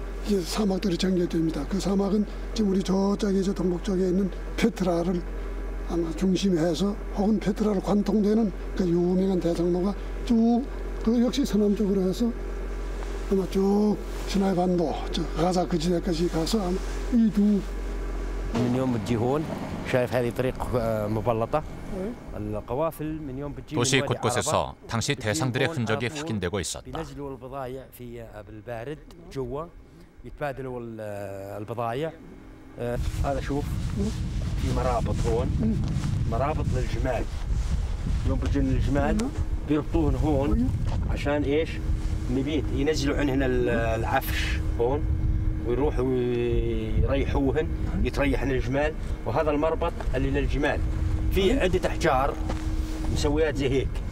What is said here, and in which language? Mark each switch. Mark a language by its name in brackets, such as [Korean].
[Korean] 이 사막들이 전개됩니다. 그 사막은 지금 우리 저쪽에 저 동북 쪽에 있는 페트라를 아마 중심해서 혹은 페트라를 관통되는 그 유명한 대상로가 쭉 그 역시 서남쪽으로 해서 아마 쭉 시나이 반도 저 가자 그 지대까지 가서 아마 이 두 [Arabic] من يوم بتجي هون شايف هذه طريق مبلطة القوافل من يوم بتجي [Korean] 도시 곳곳에서 당시 대상들의 흔적이 확인되고 있었다. [Arabic] بينزلوا البضائع في البارد جوا يتبادلوا البضائع هذا شوف في مرابط هون مرابط للجمال يوم بتجي الجمال بيربطون هون عشان ايش نبيت ينزلوا عن هنا العفش هون ويروح ويريحوهن يتريحن الجمال وهذا المربط اللي للجمال فيه عدة أحجار مسويات زي هيك